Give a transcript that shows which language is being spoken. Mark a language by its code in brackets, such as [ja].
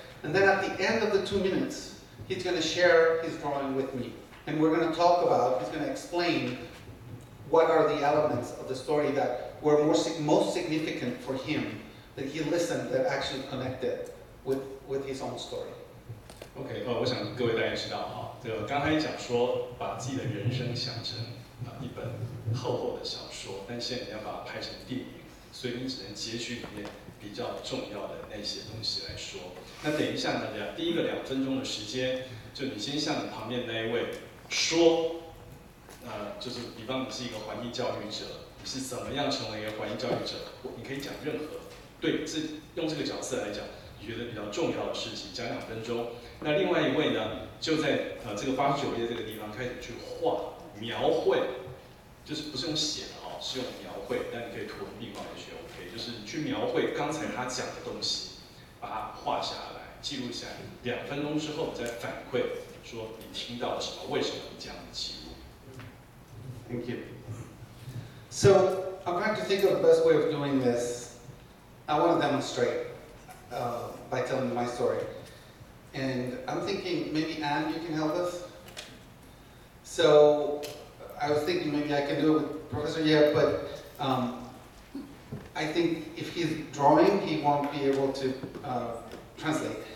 [en] And then at the end of the 2 minutes, he's gonna share his drawing with me. And we're gonna talk about, he's gonna explain what are the elements of the story that were most significant for him, that he listened, that actually connected with his own story. [zh] OK, 我想各位大家知道哈，这个刚才讲说把自己的人生想成一本厚厚的小说，但现在你要把它拍成电影，所以你只能截取里面比较重要的那些东西来说。那等一下呢，第一个两分钟的时间，就你先向你旁边那一位说，就是比方你是一个环境教育者，是怎么样成为一个环境教育者，你可以讲任何，对，是用这个角色来讲你觉得比较重要的事情，讲两分钟。那另外一位呢，就在这个89页这个地方开始去画描绘，就是不是用写的哦，是用描绘，但你可以图文并茂也学 OK， 就是去描绘刚才他讲的东西，把它画下来，记录下来，两分钟之后再反馈说你听到了什么，为什么你这样的记录。 [en] Thank you. So I'm trying to think of the best way of doing this. I want to demonstrate by telling my story. And I'm thinking maybe Anne, you can help us. So I was thinking maybe I can do it with Professor Yeh, but I think if he's drawing, he won't be able to translate.